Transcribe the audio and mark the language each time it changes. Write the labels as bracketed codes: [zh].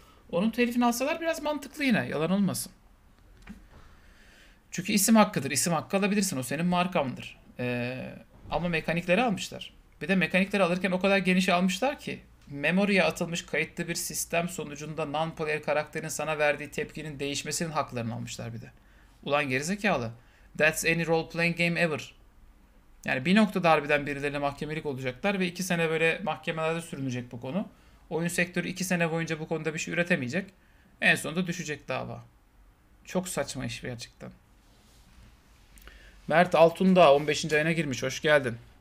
[tr] Onun telifini alsalar biraz mantıklı yine. Yalan olmasın. Çünkü isim hakkıdır. İsim hakkı alabilirsin. O senin markandır. Ama mekanikleri almışlar. Bir de mekanikleri alırken o kadar geniş almışlar ki memory'e atılmış kayıtlı bir sistem sonucunda non-player karakterin sana verdiği tepkinin değişmesinin haklarını almışlar bir de. Ulan gerizekalı. [en] That's any role playing game ever. [tr] Yani bir noktada harbiden birilerine mahkemelik olacaklar ve 2 sene böyle mahkemelerde sürünecek bu konu. Oyun sektörü 2 sene boyunca bu konuda bir şey üretemeyecek. En sonunda düşecek dava. Çok saçma iş gerçekten. Mert Altun da 15. ayına girmiş. Hoş geldin.